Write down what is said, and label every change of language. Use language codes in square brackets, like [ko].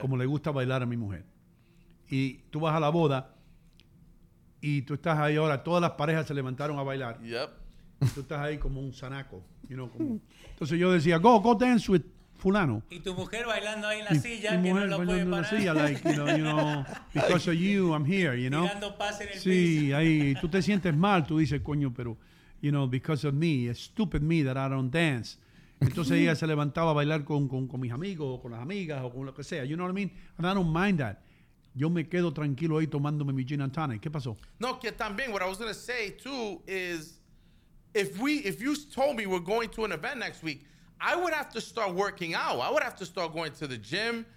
[es] como le gusta bailar a mi mujer, y tú vas a la boda y tú estás ahí ahora, todas las parejas se levantaron a bailar, [en] yep. [es] y tú estás ahí como un sanaco, [en] you know, [es] como. Entonces yo decía, [en] go dance with fulano. [es] Y tu mujer bailando ahí en la silla, que mujer no lo puede parar. Mi mujer bailando en la silla, [en] like, you know, because of you, I'm here, you know. [es] Tirando paz en el sí, piso. Ahí, y tú te sientes mal, tú dices, coño, pero, [en] you know, because of me, it's stupid me that I don't dance. [es] Entonces ella se levantaba a bailar con mis amigos o con las amigas o con lo que sea. [en] You know what I mean? And I don't mind that. [es] Yo me quedo tranquilo ahí tomándome mi gin and tonic. ¿Qué pasó? No, que también, [en] what I was going to say too is if you told me we're going to an event next week, I would have to start working out. I would have to start going to the gym